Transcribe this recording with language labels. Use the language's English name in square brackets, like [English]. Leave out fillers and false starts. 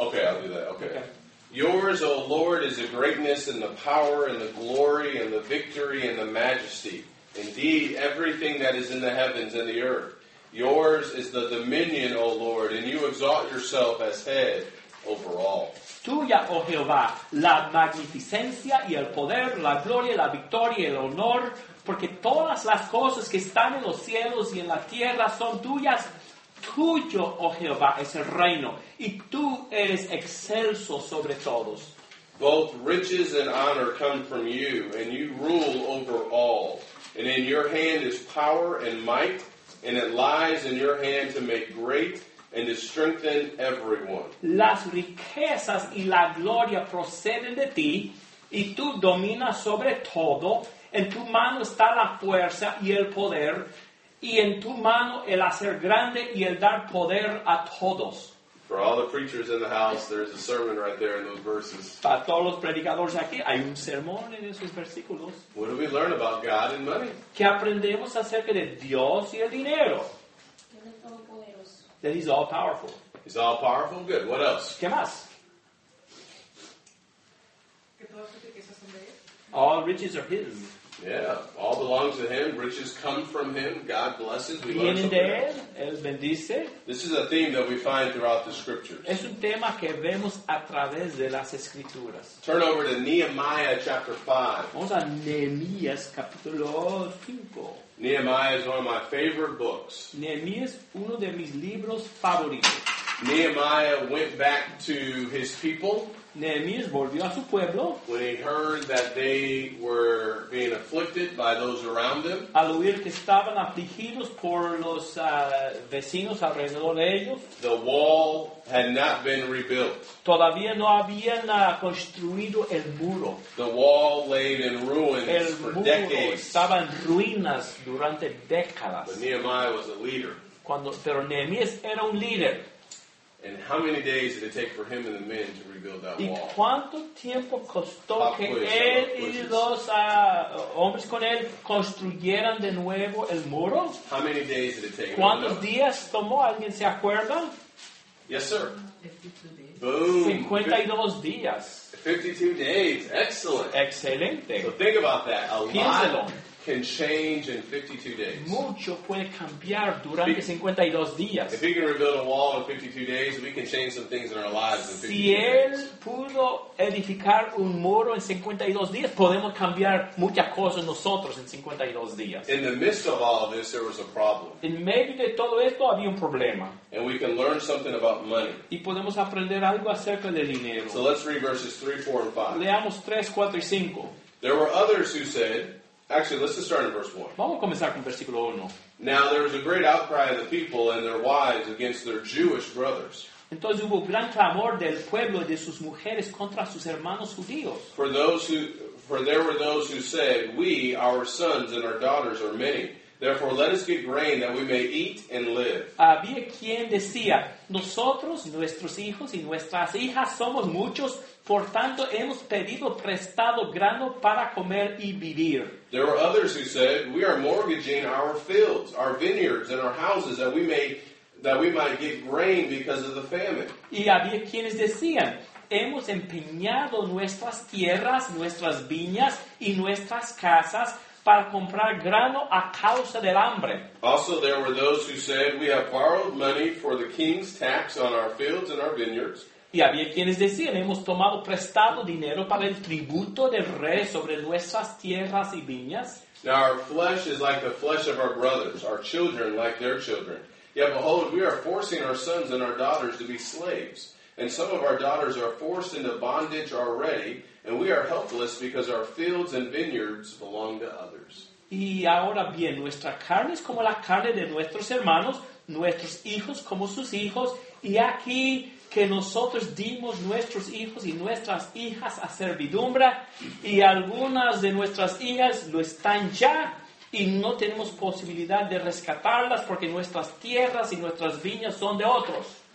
[English] Okay, I'll do that. Okay. Yours, O Lord, is the greatness and the power and the glory and the victory and the majesty. Indeed, everything that is in the heavens and the earth. Yours is the dominion, O Lord, and you exalt yourself as head over all. [Spanish] Tuya, oh Jehová, la magnificencia y el poder, la gloria, la victoria y el honor, porque todas las cosas que están en los cielos y en la tierra son tuyas. Tuyo, oh Jehová, es el reino, y tú eres excelso sobre todos. [English] Both riches and honor come from you, and you rule over all. And in your hand is power and might. And it lies in your hand to make great and to strengthen everyone. [Spanish] Las riquezas y la gloria proceden de ti, y tú dominas sobre todo. En tu mano está la fuerza y el poder, y en tu mano el hacer grande y el dar poder a todos. [English] For all the preachers in the house, there's a sermon right there in those verses. [Spanish] Para todos los predicadores aquí, hay un sermón en esos versículos. [English] What do we learn about God and money? [Spanish] ¿Qué aprendemos acerca de Dios y el dinero? Él es todopoderoso. [English] That He's all powerful. He's all powerful? Good. What else? [Spanish] ¿Qué más? Que todas las riquezas son de Él. [English] All riches are His. Yeah, all belongs to Him. Riches come from Him. God blesses. We learn something. [Spanish] Vienen de él, él bendice. [English] This is a theme that we find throughout the Scriptures. [Spanish] Es un tema que vemos a través de las Escrituras. [English] Turn over to Nehemiah chapter 5. [Spanish] Vamos a Nehemías capítulo 5. [English] Nehemiah is one of my favorite books. [Spanish] Nehemías es uno de mis libros favoritos. [English] Nehemiah went back to his people. [Spanish] Nehemías volvió a su pueblo. [English] When he heard that they were being afflicted by those around them. [Spanish] Al oír que estaban afligidos por los vecinos alrededor de ellos. [English] The wall had not been rebuilt. [Spanish] Todavía no habían construido el muro. [English] The wall laid in ruins [Spanish] el [English] for decades. [Spanish] Estaba en ruinas durante décadas. [English] But Nehemiah was a leader. [Spanish] Pero Nehemías era un líder. [English] And how many days did it take for him and the men to rebuild that [Spanish] ¿Y [English] wall? [Spanish] ¿Y cuánto tiempo costó que él y los hombres con él construyeran de nuevo el muro? [English] How many days did it take? [Spanish] ¿Cuántos días tomó? ¿Alguien se acuerda? [English] Yes, sir. 52 days. Boom. [Spanish] 52 días. [English] 52 days. Excellent. [Spanish] Excelente. [English] So think about that. A [Spanish] Piénselo. [English] Lot. can change in 52 days. [Spanish] Mucho puede cambiar durante 52 días. [English] If he can rebuild a wall in 52 days, we can change some things in our lives in 52 [Spanish] Si él pudo edificar un muro en 52 días, podemos cambiar muchas cosas nosotros en 52 días. [English] In the midst of all of this, there was a problem. [Spanish] En medio de todo esto había un problema. [English] And we can learn something about money. [Spanish] Y podemos aprender algo acerca del dinero. [English] So let's read verses 3, 4, and 5. [Spanish] Leamos 3, 4 y 5. [English] There were others who said, actually, let's just start in verse 1. [Spanish] Vamos a comenzar con versículo 1. [English] Now, there was a great outcry of the people and their wives against their Jewish brothers. [Spanish] Entonces hubo gran clamor del pueblo y de sus mujeres contra sus hermanos judíos. [English] For there were those who said, we, our sons and our daughters are many. Therefore, let us get grain that we may eat and live. [Spanish] Había quien decía, nosotros, nuestros hijos y nuestras hijas somos muchos. Por tanto, hemos pedido prestado grano para comer y vivir. [English] There were others who said, we are mortgaging our fields, our vineyards, and our houses that we might get grain because of the famine. [Spanish] Y había quienes decían, hemos empeñado nuestras tierras, nuestras viñas y nuestras casas para comprar grano a causa del hambre. [English] Also, there were those who said, we have borrowed money for the king's tax on our fields and our vineyards. [Spanish] Y había quienes decían, hemos tomado prestado dinero para el tributo del rey sobre nuestras tierras y viñas. [English] Now our flesh is like the flesh of our brothers, our children like their children. Yet behold, we are forcing our sons and our daughters to be slaves. And some of our daughters are forced into bondage already, and we are helpless because our fields and vineyards belong to others. [Spanish] Y ahora bien, nuestra carne es como la carne de nuestros hermanos, nuestros hijos como sus hijos, y aquí que nosotros dimos nuestros hijos y nuestras hijas a servidumbre, y algunas de nuestras hijas lo están ya, y no tenemos posibilidad de rescatarlas porque nuestras tierras y nuestras viñas son de otros.